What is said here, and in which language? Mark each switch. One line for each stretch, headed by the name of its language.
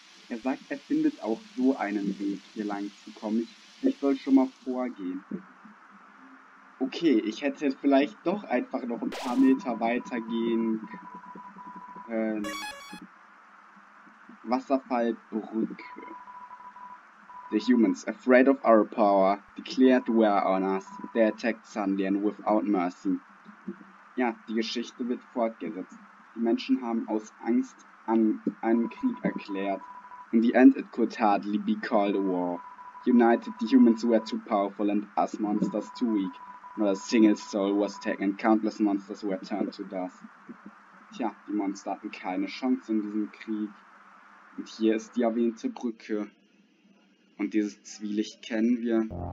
German: Er sagt, er findet auch so einen Weg, hier lang zu kommen. Ich soll schon mal vorgehen. Okay, ich hätte jetzt vielleicht doch einfach noch ein paar Meter weiter gehen können. Wasserfallbrücke.
English: The humans, afraid of our power, declared war on us. They attacked suddenly and without mercy.
German: Ja, die Geschichte wird fortgesetzt. Die Menschen haben aus Angst an einen Krieg erklärt.
English: In the end, it could hardly be called a war. United, the humans were too powerful and us monsters too weak. Not a single soul was taken and countless monsters were turned to dust.
German: Tja, die Monster hatten keine Chance in diesem Krieg. Und hier ist die erwähnte Brücke. Und dieses Zwielicht kennen wir.